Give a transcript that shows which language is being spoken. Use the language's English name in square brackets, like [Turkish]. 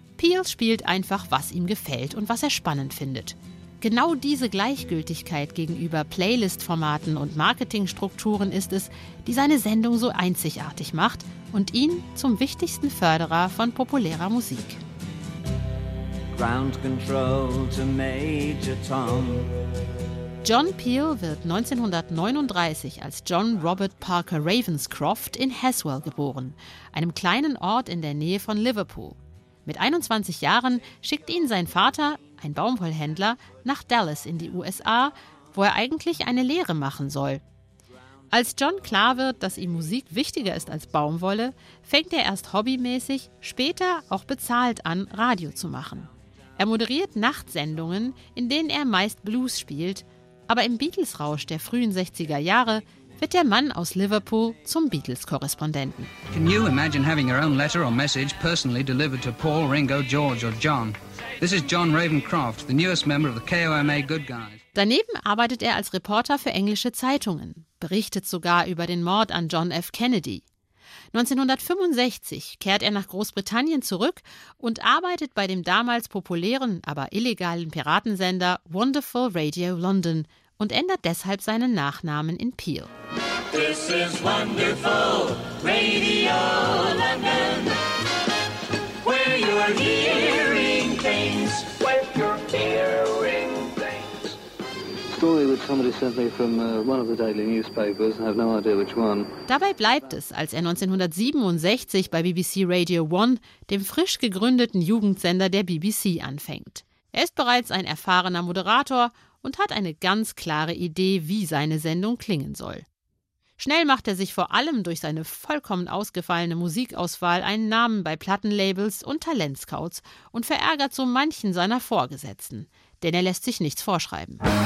[German] Peel spielt einfach, was ihm gefällt und was er spannend findet. Genau diese Gleichgültigkeit gegenüber Playlist-Formaten und Marketingstrukturen ist es, die seine Sendung so einzigartig macht und ihn zum wichtigsten Förderer von populärer Musik. [English] Ground Control to Major Tom. [German] John Peel wird 1939 als John Robert Parker Ravenscroft in Haswell geboren, einem kleinen Ort in der Nähe von Liverpool. Mit 21 Jahren schickt ihn sein Vater, ein Baumwollhändler, nach Dallas in die USA, wo er eigentlich eine Lehre machen soll. Als John klar wird, dass ihm Musik wichtiger ist als Baumwolle, fängt er erst hobbymäßig, später auch bezahlt an, Radio zu machen. Er moderiert Nachtsendungen, in denen er meist Blues spielt. Aber im Beatles-Rausch der frühen 60er Jahre wird der Mann aus Liverpool zum Beatles-Korrespondenten. [English] Can you imagine having your own letter or message personally delivered to Paul, Ringo, George or John? This is John Ravenscroft, the newest member of the KOMA Good Guys. [German] Daneben arbeitet er als Reporter für englische Zeitungen, berichtet sogar über den Mord an John F. Kennedy. 1965 kehrt er nach Großbritannien zurück und arbeitet bei dem damals populären, aber illegalen Piratensender Wonderful Radio London und ändert deshalb seinen Nachnamen in Peel. [English] This is Wonderful Radio London, where you're hearing things, where you're hearing things. Story that somebody sent me from one of the daily newspapers, I have no idea which one. [German] Dabei bleibt es, als er 1967 bei BBC Radio 1, dem frisch gegründeten Jugendsender der BBC, anfängt. Er ist bereits ein erfahrener Moderator und hat eine ganz klare Idee, wie seine Sendung klingen soll. Schnell macht er sich vor allem durch seine vollkommen ausgefallene Musikauswahl einen Namen bei Plattenlabels und Talentscouts und verärgert so manchen seiner Vorgesetzten, denn er lässt sich nichts vorschreiben.